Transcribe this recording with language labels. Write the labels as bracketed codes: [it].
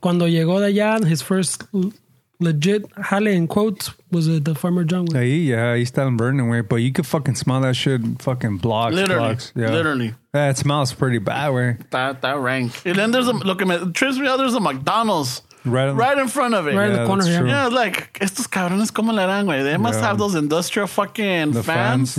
[es] Cuando llegó de allá, [en] his first legit jale in quotes was it the Farmer John one. Hey, yeah, he's still burning way, but you could fucking smell that shit fucking blocks. Literally. Blocks. Yeah. Literally. Yeah, it smells pretty bad way. That rank. And then there's a, look at me, trips me out, there's a McDonald's. Right in front of it. Right in the corner. Yeah, yeah, like, [es] estos cabrones, ¿cómo le dan, güey? [en] They must have those industrial fucking the fans.